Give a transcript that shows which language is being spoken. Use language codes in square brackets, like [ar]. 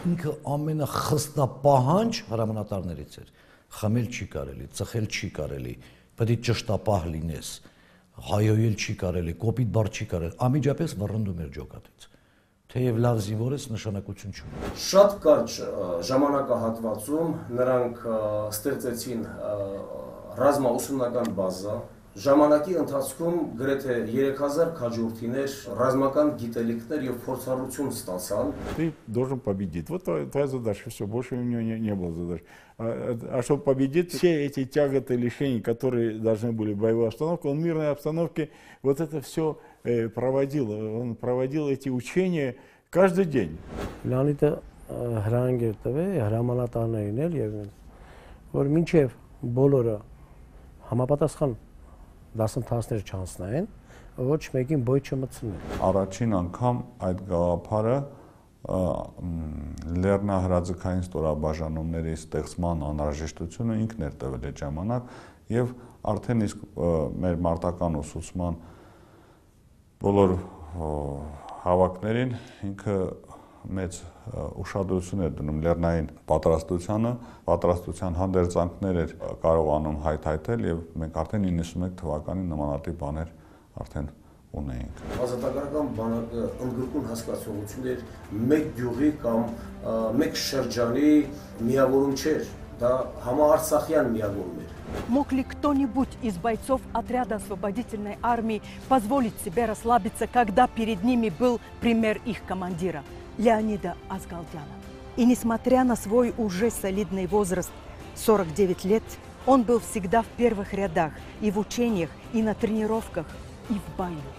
[hy] Ինքը ամենախստապահանջ հրամանատարներից էր։ Խմել չի կարելի, ծխել չի կարելի, պետք է ճշտապահ լինես, հայոյել չի կարելի, կոպիտ բար չի կարելի, ամիջապես վռնդում էր ջոկատից, թեև լավ զինվոր էս նշանակություն չունի։ Շատ կարճ ժամանակահատվածում նրանք ստեղծեցին ռազմաուսումնական բազա, ժամանակի ընթացքում գրեթե 3000 քաջորդիներ ռազմական գիտելիքներ եւ փորձառություն ստացան։ [ru] Ты должен победить. Вот твоя задача, всё, больше у него не было задач. А чтобы победить, все эти тяготы, лишения, которые должны были боевой обстановке, он в мирной обстановке вот это всё проводил. Он проводил эти учения каждый день. [hy] Լեոնիդը հրանգ էր տվել, հրամանատարներին էլ եւ որ մինչեւ բոլորը համապատասխան դասընթացներ չանցնային, ոչ մեկին բոյ չմցնեն։ Առաջին անգամ այդ գաղափարը լեռնահրաձգային ստորաբաժանումների ստեղծման անհրաժեշտությունը ինքն էր տվել այդ ժամանակ, եւ արդեն իսկ մեր մարտական ուսուցման բոլոր հավաքներին ինքը մեծ ուշադրություն էր դնում լեռնային պատրաստությանը, պատրաստության հանդերձանքներ էր կարողանում հայթայթել, եւ մենք արդեն 91 թվականին նմանատիպ բաներ արդեն ունեինք։ Ազատագրական բանակը ընդգրկուն հասկացողություն էր, մեկ գյուղի կամ մեկ շրջանի միավորում չէր, դա համաարցախյան միավորում էր։ [ru] Мог ли кто-нибудь из бойцов отряда освободительной армии позволить себе расслабиться, когда перед ними был пример их командира Леонида Азгалдяна? И несмотря на свой уже солидный возраст, 49 лет, он был всегда в первых рядах и в учениях, и на тренировках, и в бою.